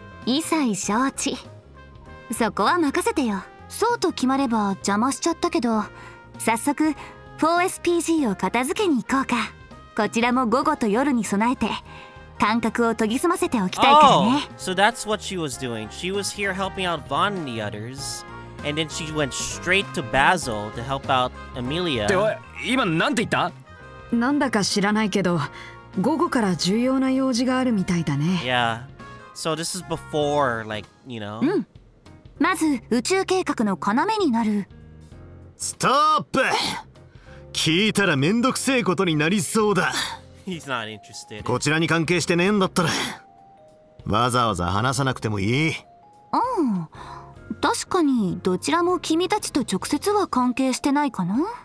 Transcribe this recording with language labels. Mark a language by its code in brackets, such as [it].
[ja] 一切承知、そこは任せてよ。そうと決まれば邪魔しちゃったけど、早速 4SPG を片付けに行こうか。こちらも午後と夜に備えて感覚を研ぎ澄ませておきたいからね。 [en] Oh, so that's what she was doing. She was here helping out Vaughn and the others, and then she went straight to Basil to help out Amelia. [ja] では、今なんて言った？なんだか知らないけど、午後から重要な用事があるみたいだね。 [en] Yeah, so this is before, like, you know. [ja] うん、まず宇宙計画の要になる。ストップ。聞いたらめんどくせえことになりそうだ。 [en] He's not interested. [ja] こちらに関係してねえんだったらわざわざ話さなくてもいい。ああ、確かにどちらも君たちと直接は関係してないかな。